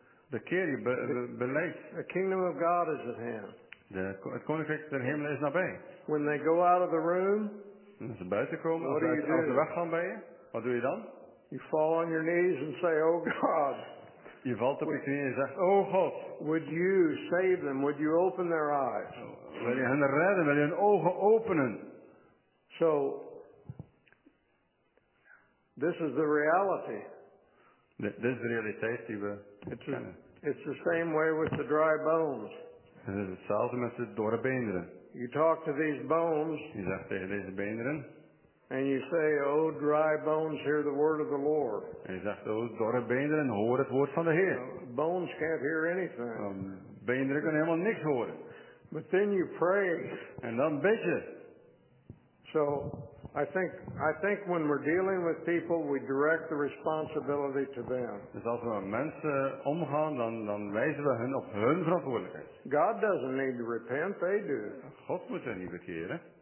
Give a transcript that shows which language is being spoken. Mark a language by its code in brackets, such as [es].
[nl] Bekeer je, beleid. [en] The kingdom of God is at hand. [nl] Het koninkrijk der hemel is nabij. [en] When they go out of the room. [nl] En als ze buiten komen, als ze weggaan bij je, wat doe je dan? [en] You fall on your knees and say, oh God. [nl] Je valt op je knieën en zegt, oh God. [en] Would you save them? Would you open their eyes? [nl] Wil je hen redden? Wil je hun ogen openen? [en] So, this is the reality. [nl] Dit is de realiteit die we kennen. [en] It's the same way with the dry bones. [nl] Het is hetzelfde met de dorre beenderen. [en] You talk to these bones. [nl] Je zegt tegen deze beenderen. [en] And you say, oh dry bones, hear the word of the Lord. [nl] En je zegt, oh dorre beenderen, hoor het woord van de Heer. [en] Bones can't hear anything. [nl] Beenderen kunnen helemaal niks horen. [en] But then you pray. [nl] En dan bid je. [en] So, I think when we're dealing with people, we direct the responsibility to them. [nl] Dus als we met mensen omgaan, dan wijzen we hen op hun verantwoordelijkheid. [en] God doesn't need to repent, they do. [nl] God moet hen niet bekeren.